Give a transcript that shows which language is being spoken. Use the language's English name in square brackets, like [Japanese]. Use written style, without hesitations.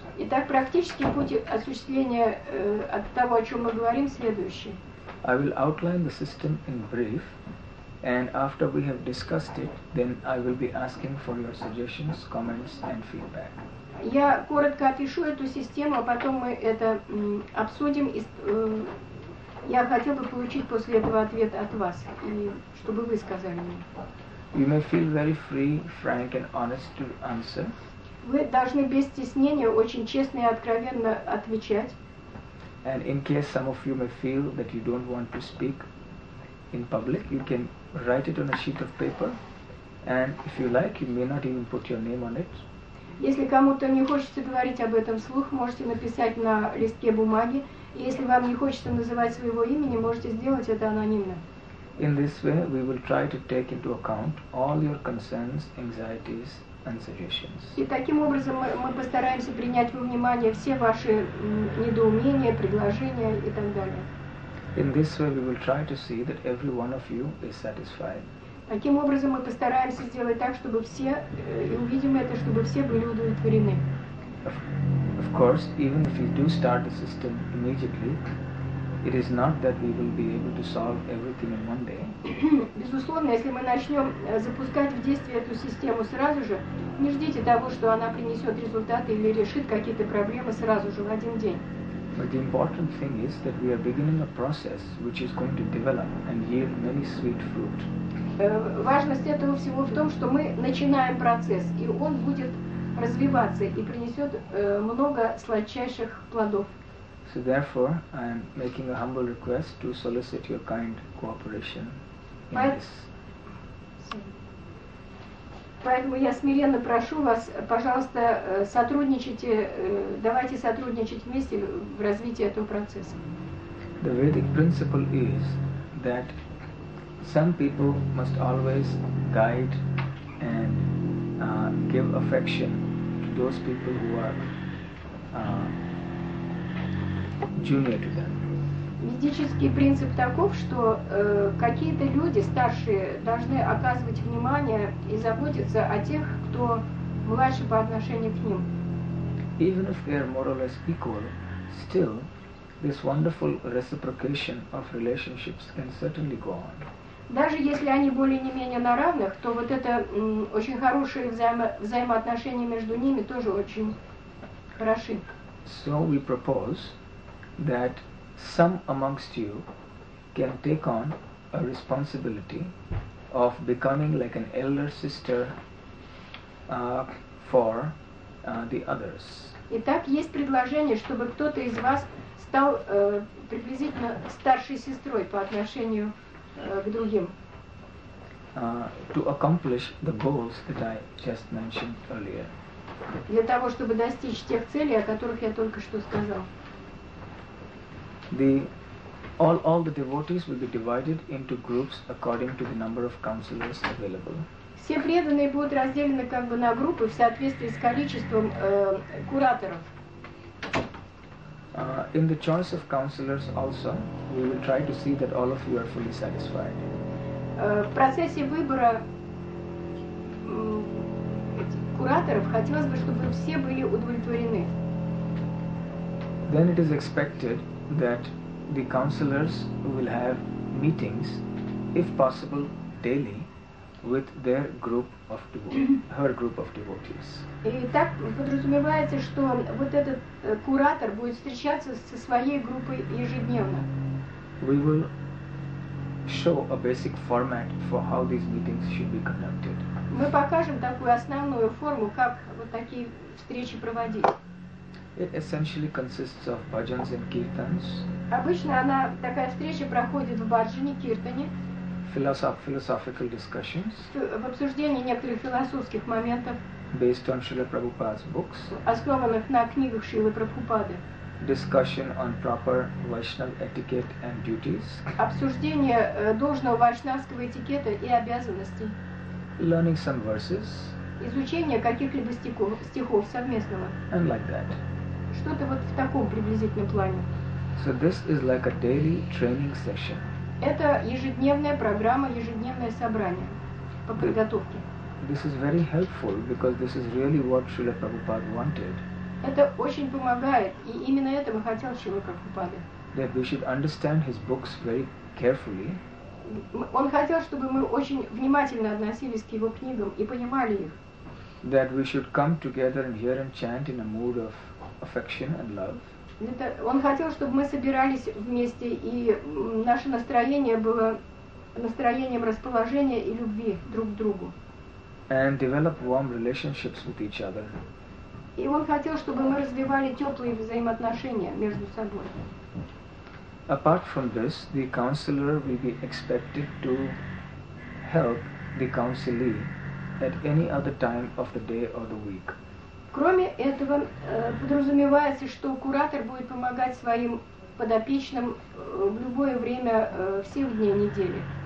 [Russian] Итак, практический путь осуществления от того, о чем мы говорим, следующий. [English] I will outline the system in brief, and after we have discussed it, then I will be asking for your suggestions, comments, and feedback. [Russian] Я коротко опишу эту систему, а потом мы это обсудим. Я хотел бы получить после этого ответ от вас, и чтобы вы сказали мне. [English] You may feel very free, frank, and honest to answer. [Russian] Вы должны без стеснения, очень честно и откровенно отвечать. [English] And in case some of you may feel that you don't want to speak in public, you can write it on a sheet of paper. And if you like, you may not even put your name on it. [Russian] Если кому-то не хочется говорить об этом вслух, можете написать на листке бумаги. Если вам не хочется называть своего имени, можете сделать это анонимно. [English] In this way, we will try to take into account all your concerns, anxieties, and suggestions. [Russian] И таким образом мы постараемся принять во внимание все ваши недоумения, предложения и так далее. [English] In this way, we will try to see that every one of you is satisfied. [Russian] Таким образом мы постараемся сделать так, чтобы все, и увидим это, чтобы все были удовлетворены. [English] Of course, even if we do start the system immediately, it is not that we will be able to solve everything in one day. [Russian] Безусловно, если мы начнем запускать в действие эту систему сразу же, не ждите того, что она принесет результаты или решит какие-то проблемы сразу же в один день. [English] But the important thing is that we are beginning a process which is going to develop and yield many sweet fruit. [Russian] Важность этого всего в том, что мы начинаем процесс, и он будет развиваться и принесет много сладчайших плодов. [English] So therefore, I am making a humble request to solicit your kind cooperation in this. [Russian] Поэтому я смиренно прошу вас, пожалуйста, сотрудничайте, давайте сотрудничать вместе в развитии этого процесса. [English] The Vedic principle is that some people must always guide and give affection to those people who are junior to them. [Russian] Ведический принцип таков, что какие-то люди старшие должны оказывать внимание и заботиться о тех, кто младше по отношению к ним. [English] Even if they are more or less equal, still this wonderful reciprocation of relationships can certainly go on. [Russian] Даже если они более не менее на равных, то вот это очень хорошие взаимоотношения между ними тоже очень хороши. [English] So we propose that some amongst you can take on a responsibility of becoming like an elder sister for the others. [Russian] Итак, есть предложение, чтобы кто-то из вас стал приблизительно старшей сестрой по отношению к другим. [English] To accomplish the goals that I just mentioned earlier. [Russian] Для того, чтобы достичь тех целей, о которых я только что сказал. [English] All the devotees will be divided into groups according to the number of counselors available. [Russian] Все преданные будут разделены как бы на группы в соответствии с количеством кураторов. [English] In the choice of counselors also, we will try to see that all of you are fully satisfied. [Russian] В процессе выбора кураторов хотелось бы, чтобы все были удовлетворены. [English] Then it is expected that the counselors will have meetings, if possible, daily, with their group of devotees, her group of devotees. [Russian] И так подразумевается, что вот этот куратор будет встречаться со своей группой ежедневно. [English] We will show a basic format for how these meetings should be conducted. [Russian] Мы покажем такую основную форму, как вот такие встречи проводить. [English] It essentially consists of bhajans and kirtans. [Russian] Обычно она такая встреча проходит в баджане, киртане. [English] Philosophical discussions. [Russian] В обсуждении некоторых философских моментов. [English] Based on Srila Prabhupada's books. [Russian] Основанных на книгах Шрилы Прабхупады. [English] Discussion on proper Vaishnava etiquette and duties. [Russian] Обсуждение должного вайшнавского этикета и обязанностей. [English] Learning some verses. [Russian] Изучение каких-либо стихов совместного. [English] And like that. [Russian] Что-то вот в таком приблизительном плане. [English] So this is like a daily training session. [Russian] Это ежедневная программа, ежедневное собрание по подготовке. [English] This is very helpful because this is really what Srila Prabhupada wanted. [Russian] Это очень помогает, и именно этого хотел Шрила Прабхупада. [English] That we should understand his books very carefully. [Russian] Он хотел, чтобы мы очень внимательно относились к его книгам и понимали их. [English] That we should come together and hear him chant in a mood of affection and love. [Russian] Это он хотел, чтобы мы собирались вместе и наше настроение было настроением расположения и любви друг к другу. [English] And develop warm relationships with each other. [Russian] И он хотел, чтобы мы развивали теплые взаимоотношения между собой. [English] Apart from this, the counselor will be expected to help the counselee at any other time of the day or the week. [Russian] Кроме этого, подразумевается, что куратор будет помогать своим подопечным в любое время всех дней недели.